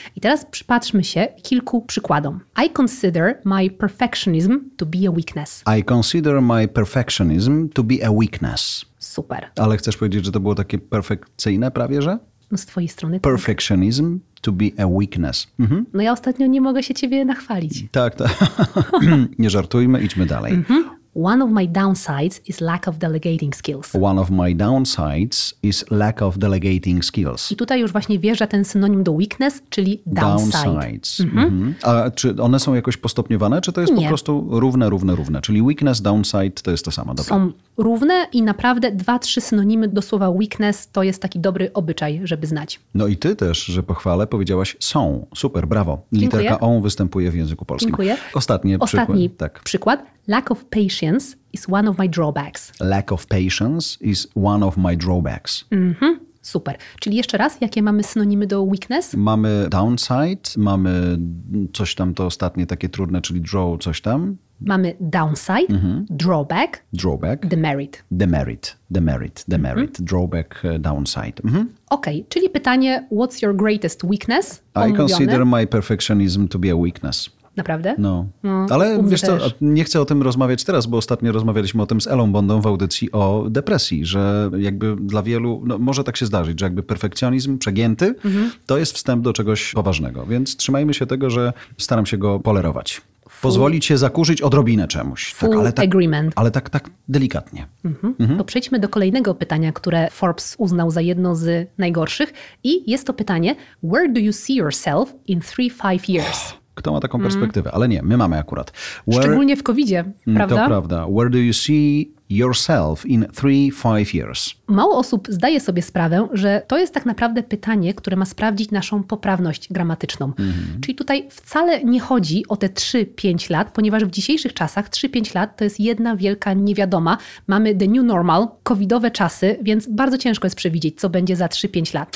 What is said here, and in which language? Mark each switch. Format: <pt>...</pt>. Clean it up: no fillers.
<pl>I teraz przypatrzmy się kilku przykładom.</pl> <en>I consider my perfectionism to be a weakness. I consider my perfectionism to be a weakness.</en> <pl>Super. Ale chcesz powiedzieć, że to było takie perfekcyjne prawie, że? No z twojej strony.</pl> <en>Perfectionism to be a weakness. Mhm.</en> <pl>No ja ostatnio nie mogę się ciebie nachwalić. Tak, tak. Nie żartujmy, idźmy dalej. Mhm.</pl> <en>One of my downsides is lack of delegating skills. One of my downsides is lack of delegating skills.</en> <pl>I tutaj już właśnie wjeżdża ten synonim do weakness, czyli downside.</pl> <en>Downsides. Mhm.</en> <pl>A czy one są jakoś postopniowane, czy to jest nie. Po prostu równe, równe, równe? Czyli weakness, downside to jest to samo. Dobra. Są równe i naprawdę 2-3 synonimy do słowa weakness to jest taki dobry obyczaj, żeby znać. No i ty też, że pochwalę, powiedziałaś są. Super, brawo. Dziękuję. Literka on występuje w języku polskim. Dziękuję. Ostatni przykład. Tak. Przykład.</pl> <en>Lack of patience is one of my drawbacks. Lack of patience is one of my drawbacks.</en> <pl>Mhm. Super. Czyli jeszcze raz, jakie mamy synonimy do weakness? Mamy downside, mamy coś tam to ostatnie takie trudne, czyli draw coś tam. Mamy downside, drawback,</pl> <en>drawback, demerit. Demerit, demerit, demerit, drawback, downside. Mm-hmm.</en> <pl>Okej,</pl> <en>okay,</en> <pl>czyli pytanie,</pl> <en>what's your greatest weakness?</en> <pl>Omówione.</pl> <en>I consider my perfectionism to be a weakness.</en> <pl>Naprawdę? No. Ale wiesz co, nie chcę o tym rozmawiać teraz, bo ostatnio rozmawialiśmy o tym z Elą Bondą w audycji o depresji, że jakby dla wielu, no może tak się zdarzyć, że jakby perfekcjonizm przegięty, to jest wstęp do czegoś poważnego. Więc trzymajmy się tego, że staram się go polerować. Pozwolić się zakurzyć odrobinę czemuś.</pl> <en>Full</en> <pl>tak, ale tak,</pl> <en>agreement.</en> <pl>Ale tak, tak delikatnie. Mhm. Mhm. To przejdźmy do kolejnego pytania, które Forbes uznał za jedno z najgorszych. I jest to pytanie,</pl> <en>where do you see yourself in 3-5 years? Oh.</en> <pl>Kto ma taką perspektywę? Ale nie, my mamy akurat. Szczególnie w COVID-zie, prawda? To prawda.</pl> <en>Where do you see yourself in 3-5 years?</en> <pl>Mało osób zdaje sobie sprawę, że to jest tak naprawdę pytanie, które ma sprawdzić naszą poprawność gramatyczną. Mm-hmm. Czyli tutaj wcale nie chodzi o te 3-5 lat, ponieważ w dzisiejszych czasach 3-5 lat to jest jedna wielka niewiadoma. Mamy</pl> <en>the new normal,</en> <pl>covidowe czasy, więc bardzo ciężko jest przewidzieć, co będzie za 3-5 lat.</pl>